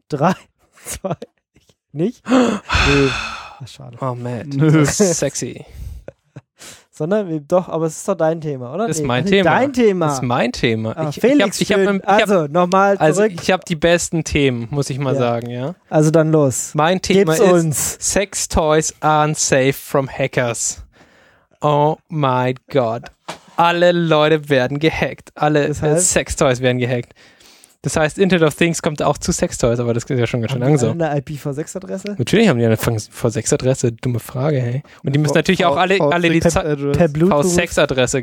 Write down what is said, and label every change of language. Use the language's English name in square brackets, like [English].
[German] 3, 2, nicht? Nee. Schade. Oh, Matt. Das ist sexy. Sondern doch, aber es ist doch dein Thema, oder? Das ist mein Thema. Dein Thema. Das ist mein Thema. Ich habe die besten Themen, muss ich mal sagen, ja. Also dann los. Mein Thema ist uns. [English] Sex Toys aren't safe from hackers. Oh my God. [German] Alle Leute werden gehackt. Alle Sex Toys werden gehackt. Das heißt, Internet of Things kommt auch zu Sex Toys, aber das geht ja schon ganz schön langsam. Haben die eine IPv6-Adresse? Natürlich haben die eine IPv6-Adresse, dumme Frage, hey. Und die müssen natürlich auch alle die V6-Adresse,